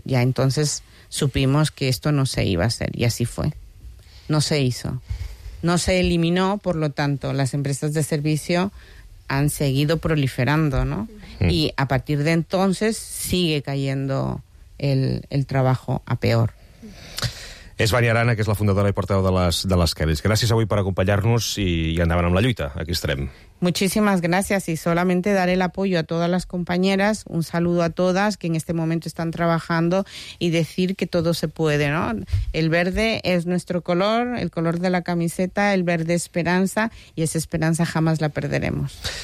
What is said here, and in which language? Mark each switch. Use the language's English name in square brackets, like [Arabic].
[Spanish] Ya entonces supimos que esto no se iba a hacer, y así fue. No se hizo. No se eliminó, por lo tanto, las empresas de servicio han seguido proliferando, ¿no? Mm. Y a partir de entonces sigue cayendo el trabajo a peor. [Catalan] És Vania Arana, que és la fundadora i portaveu de les Kellys. Gràcies avui per acompanyar-nos i endavant amb la lluita. Aquí estarem. [Spanish] Muchísimas gracias, y solamente dar el apoyo a todas las compañeras, un saludo a todas que en este momento están trabajando, y decir que todo se puede, ¿no? El verde es nuestro color, el color de la camiseta, el verde esperanza, y esa esperanza jamás la perderemos.